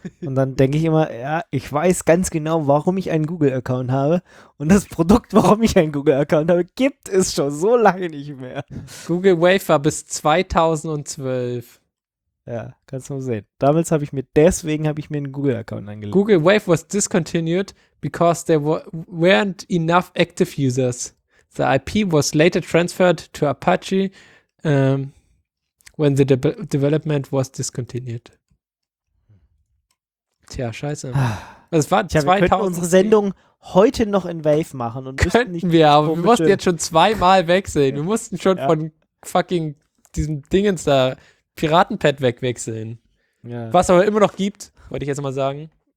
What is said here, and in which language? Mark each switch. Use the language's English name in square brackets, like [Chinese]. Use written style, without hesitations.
[German] Und dann denke ich immer, ja, ich weiß ganz genau, warum ich einen Google-Account habe. Und das Produkt, warum ich einen Google-Account habe, gibt es schon so lange nicht mehr. Google Wave war bis 2012. Ja, kannst du mal sehen. Damals habe ich mir, deswegen habe ich mir einen Google-Account eingeloggt. [English] Google Wave was discontinued because there weren't enough active users. The IP was later transferred to Apache when the development was discontinued. [German] Tja, scheiße. Das war 2000. Wir könnten unsere Sendung heute noch in Wave machen. Und könnten nicht wir, aber wir mussten jetzt schon zweimal wegsehen. Wir mussten schon von fucking diesem Dingens da Piratenpad wegwechseln. Ja. Was aber immer noch gibt, wollte ich jetzt mal sagen.